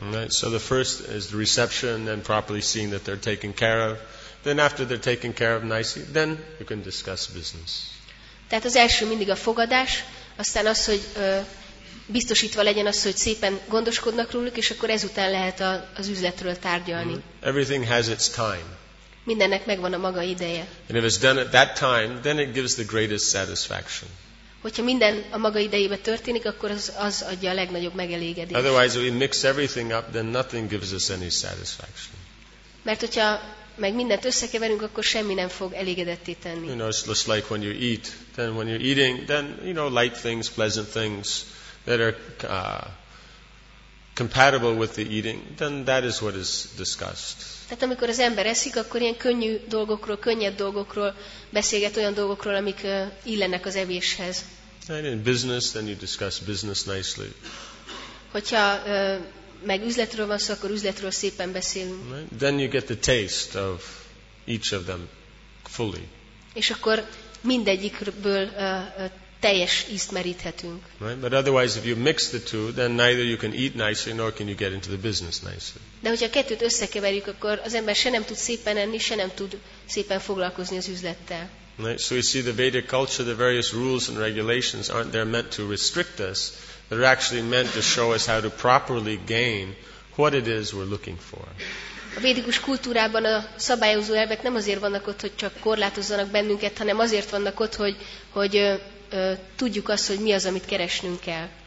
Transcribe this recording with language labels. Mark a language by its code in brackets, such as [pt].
[en] Right, so the first is the reception, then properly seeing that they're taken care of. Then after they're taken care of nicely, then you can discuss business. [hu] Tehát az első mindig a fogadás, aztán az, hogy biztosítva legyen az, hogy szépen gondoskodnak róluk, és akkor ezután lehet az üzletről tárgyalni. Mm-hmm. [en] Everything has its time. [hu] Mindennek megvan a maga ideje. [en] And if it's done at that time, then it gives the greatest satisfaction. [hu] Hogyha minden a maga idejében történik, akkor az adja a legnagyobb megelégedést. [en] Otherwise, if we mix everything up, then nothing gives us any satisfaction. [hu] Mert hogyha meg mindent összekeverünk, akkor semmi nem fog elégedetté tenni. [en] You know, it's just like when you eat. Then when you're eating, then, you know, light things, pleasant things that are compatible with the eating, then that is what is discussed. [hu] Tehát amikor az ember eszik, akkor ilyen könnyű dolgokról, könnyed dolgokról beszélget, olyan dolgokról, amik illenek az evéshez. [en] And in business, then you discuss business nicely. [hu] Hogyha meg üzletről van szó, akkor üzletről szépen beszélünk. [en] Right? Then you get the taste of each of them fully. [hu] És akkor mindegyikből teljes ízt meríthetünk. [en] Right? But otherwise, if you mix the two, then neither you can eat nicely, nor can you get into the business nicely. [hu] De hogyha a kettőt összekeverjük, akkor az ember se nem tud szépen enni, se nem tud szépen foglalkozni az üzlettel. [en] Right? So you see, the Vedic culture, the various rules and regulations aren't there meant to restrict us. They're actually meant to show us how to properly gain what it is we're looking for. [hu] A védikus kultúrában a szabályozó elvek nem azért vannak ott, hogy csak korlátozzanak bennünket, hanem azért vannak ott, hogy tudjuk azt, hogy mi az, amit keresnünk kell.